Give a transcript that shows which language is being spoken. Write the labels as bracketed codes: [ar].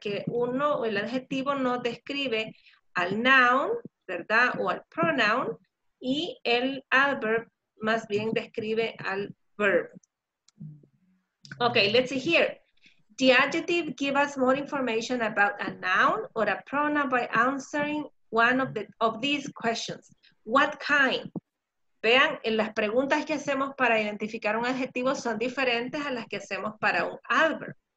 [es] Que uno, el adjetivo no describe al noun, ¿verdad? O al pronoun. Y el adverb más bien describe al verb. [en] Ok, let's see here. The adjective gives us more information about a noun or a pronoun by answering one of these questions. What kind? [es] Vean, en las preguntas que hacemos para identificar un adjetivo son diferentes a las que hacemos para un adverb.